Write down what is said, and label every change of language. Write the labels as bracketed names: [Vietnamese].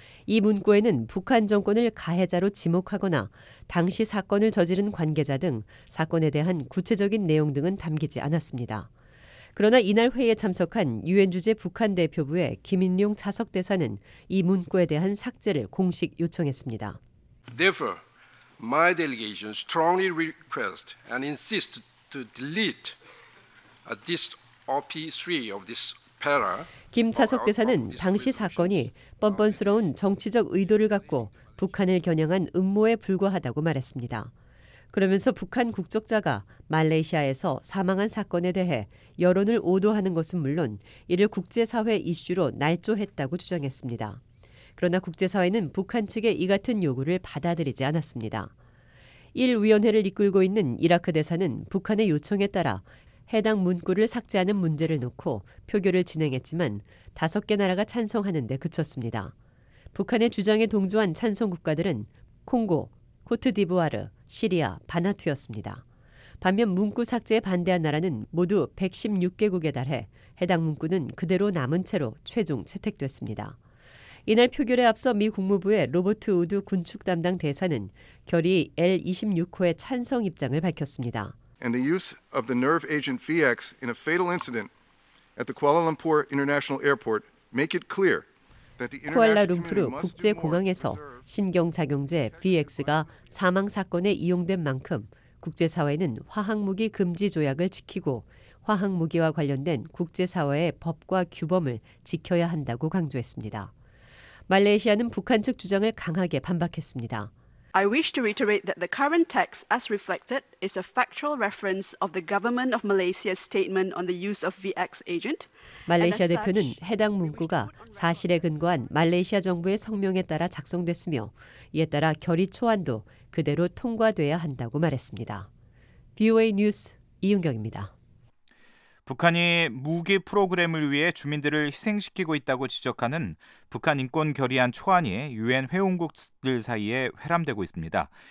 [Korean] 이 문구에는 북한 정권을 가해자로 지목하거나 당시 사건을 저지른 관계자 등 사건에 대한 구체적인 내용 등은 담기지 않았습니다. 그러나 이날 회의에 참석한 유엔 주재 북한 대표부의 김인룡 차석 대사는 이 문구에 대한 삭제를 공식 요청했습니다. [English] Therefore, my delegation strongly request and insist to delete this OP3 of this para. [Korean] 김 차석 대사는 당시 사건이 뻔뻔스러운 정치적 의도를 갖고 북한을 겨냥한 음모에 불과하다고 말했습니다. 그러면서 북한 국적자가 말레이시아에서 사망한 사건에 대해 여론을 오도하는 것은 물론 이를 국제사회 이슈로 날조했다고 주장했습니다. 그러나 국제사회는 북한 측의 이 같은 요구를 받아들이지 않았습니다. 1 위원회를 이끌고 있는 이라크 대사는 북한의 요청에 따라 해당 문구를 삭제하는 문제를 놓고 표결을 진행했지만 5개 나라가 찬성하는 데 그쳤습니다. 북한의 주장에 동조한 찬성 국가들은 콩고, 코트디부아르, 시리아, 바나투였습니다. 반면 문구 삭제에 반대한 나라는 모두 116개국에 달해 해당 문구는 그대로 남은 채로 최종 채택됐습니다. 이날 표결에 앞서 미 국무부의 로버트 우드 군축 담당 대사는 결의 L26호의 찬성 입장을 밝혔습니다. [English] And the use of the nerve agent VX in a fatal incident at the Kuala Lumpur International Airport make it clear that the [Korean] Kuala Lumpur 국제 공항에서 신경작용제 VX가 사망 사건에 이용된 만큼 국제 사회는 화학무기 금지 조약을 지키고 화학무기와 관련된 국제 사회의 법과 규범을 지켜야 한다고 강조했습니다. 말레이시아는 북한 측 주장을 강하게 반박했습니다. [English] I wish to reiterate that the current text as reflected is a factual reference of the government of Malaysia's statement on the use of VX agent. [Korean] 말레이시아 대표는 해당 문구가 사실에 근거한 말레이시아 정부의 성명에 따라 작성됐으며 이에 따라 결의 초안도 그대로 통과돼야 한다고 말했습니다. VOA 뉴스 이은경입니다. 북한이 무기 프로그램을 위해 주민들을 희생시키고 있다고 지적하는 북한 인권 결의안 초안이 유엔 회원국들 사이에 회람되고 있습니다.